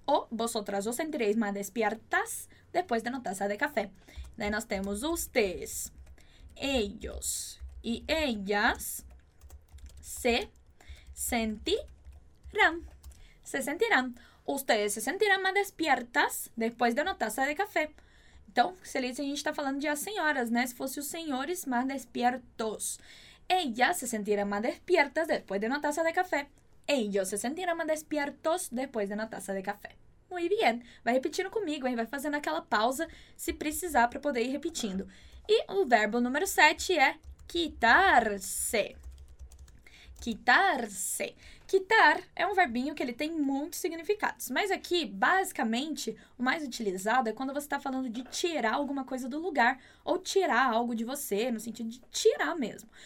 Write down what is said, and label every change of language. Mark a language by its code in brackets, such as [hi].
[es] O vosotras os sentiréis más despiertas después de una taza de café. Ahí nos tenemos ustedes, ellos y ellas se sentirán. Ustedes se sentirán más despiertas después de una taza de café. [pt] Então, se a gente está falando de as senhoras, né? Se fosse os senhores mais despiertos. [es] Ellas se sentirán más despiertas después de una taza de café. Ellos se sentirán más despiertos después de una taza de café. Muy bien. [pt] Vai repetindo comigo, hein? Vai fazendo aquela pausa se precisar para poder ir repetindo. E o verbo número 7 é quitar-se. Quitar-se. Quitar é um verbinho que ele tem muitos significados. Mas aqui, basicamente, o mais utilizado é quando você está falando de tirar alguma coisa do lugar ou tirar algo de você, no sentido de tirar mesmo.